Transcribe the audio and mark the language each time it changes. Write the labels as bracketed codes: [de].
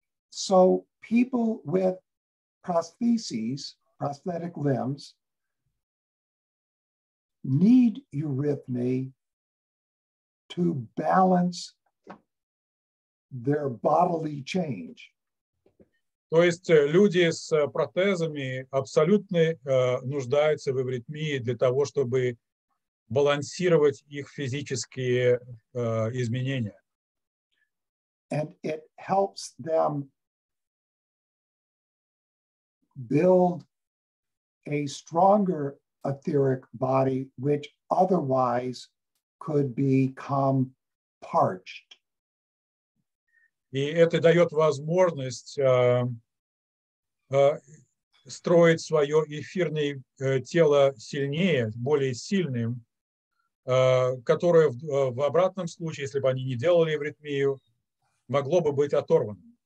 [en] So people with prostheses, prosthetic limbs, need eurythmy to balance their bodily change. [ru] То есть люди с протезами абсолютно нуждаются в эвритмии для того, чтобы балансировать их физические изменения. [en] And it helps them build a stronger etheric body, which otherwise could become parched. [ru] И это дает возможность строить свое эфирное тело сильнее, более сильным, которое в обратном случае, если бы они не делали эвритмию, могло бы быть оторвано.